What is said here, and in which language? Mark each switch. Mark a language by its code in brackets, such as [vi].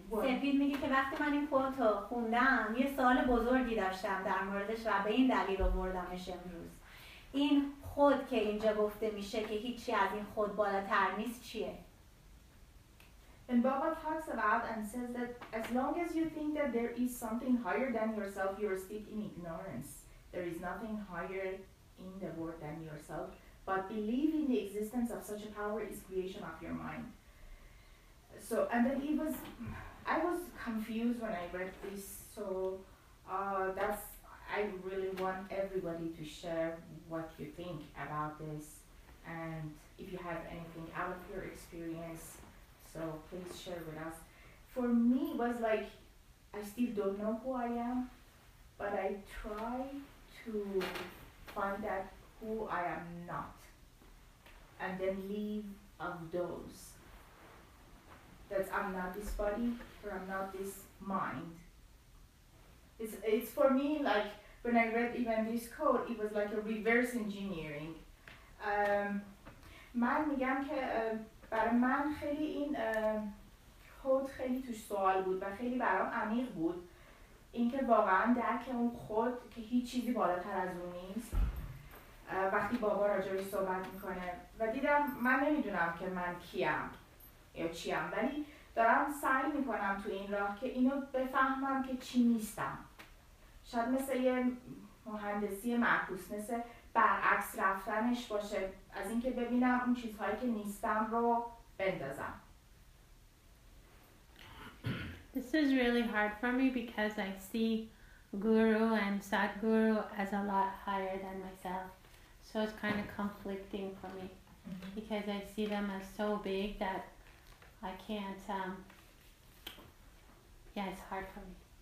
[fa] سفید میگه که وقتی من این کوت رو خوندم یه سوال بزرگی داشتم در موردش و به این دلیل رو بردمش امروز. این خود که اینجا گفته میشه که هیچی از این خود بالاتر نیست چیه؟ [en] And Baba talks about and says that as long as you think that there is something higher than yourself, you are steeped in ignorance. There is nothing higher in the world than yourself. But believe in the existence of such a power is creation of your mind. So, and then I was confused when I read this, so that's, I really want everybody to share what you think about this, and if you have anything out of your experience, so please share with us. For me, it was like, I still don't know who I am, but I try to find out who I am not, and then leave of those. That I'm not this body, or I'm not this mind. It's for me, like, when I read even this code, it was like a reverse engineering. [fa] من میگم که برای من خیلی این کود خیلی توش سوال بود و خیلی برام عمیق بود. اینکه واقعا درک اون خود که هیچ چیزی بالاتر از اون نیست. وقتی بابا راجعش صحبت میکنه و دیدم من نمیدونم که من کیم. یا چی هم، ولی دارم سعی میکنم تو این راه که اینو بفهمم که چی نیستم. شاید مثل یه مهندسی معکوس، مثل برعکس رفتنش باشه، از اینکه ببینم اون چیزهایی که نیستم رو بندازم. [en] This is really hard for me because I see Guru and Sadguru as a lot higher than myself. So it's kind of conflicting for me because I see them as so big that I can't, yeah, it's hard for me.